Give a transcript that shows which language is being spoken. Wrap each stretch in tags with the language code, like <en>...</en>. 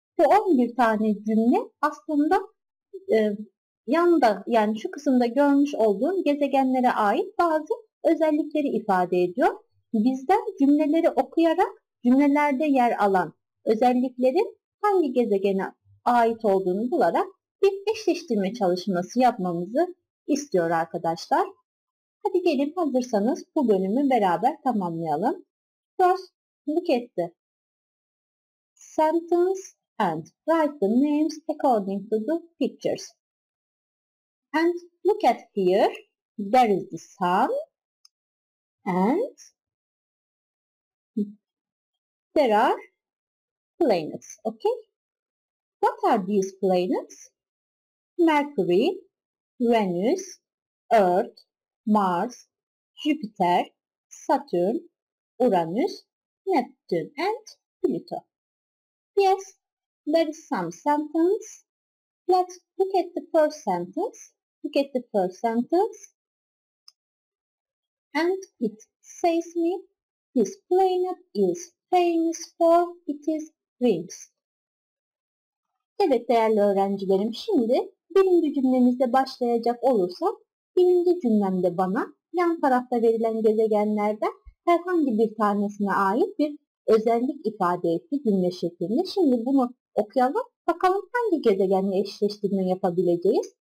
<tr>Bu 11 tane cümle aslında yanda yani şu kısımda görmüş olduğum gezegenlere ait bazı özellikleri ifade ediyor. Bizden cümleleri okuyarak cümlelerde yer alan özellikleri hangi gezegene ait olduğunu bularak bir eşleştirme çalışması yapmamızı istiyor arkadaşlar. Hadi gelin hazırsanız bu bölümü beraber tamamlayalım.</tr> <en>First, look at the sentence and write the names according to the pictures. And look at here, there is the sun and there are planets, okay? What are these planets? Mercury, Venus, Earth, Mars, Jupiter, Saturn, Uranus, Neptune and Pluto. Yes, there is some sentence. Let's look at the first sentence. Look at the first sentence and it says me this planet is famous for its rings.</en> <tr>Evet değerli öğrencilerim, şimdi birinci cümlemizde başlayacak olursam birinci cümlemde bana yan tarafta verilen gezegenlerden herhangi bir tanesine ait bir özellik ifade etti cümle şeklinde. Şimdi bunu okuyalım, bakalım hangi gezegenle eşleştirme yapabileceğiz.</tr>